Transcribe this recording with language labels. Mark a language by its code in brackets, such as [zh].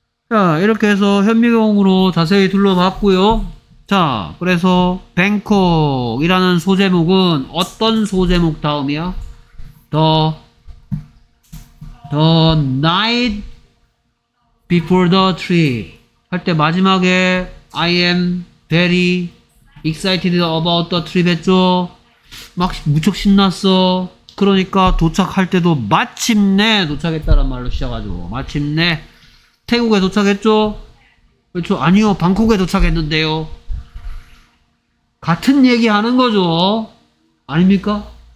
[ko] 자, 이렇게 해서 현미경으로 자세히 둘러봤고요. 자, 그래서 뱅콕이라는 소제목은 어떤 소제목 다음이야? [en] The night before the trip [ko] 할 때 마지막에 [en] I am very excited about the trip [ko] 했죠. 막 무척 신났어. 그러니까 도착할 때도 마침내 도착했다란 말로 시작하죠. 마침내 태국에 도착했죠. 그렇죠? 아니요, 방콕에 도착했는데요. 같은 얘기 하는 거죠 아닙니까?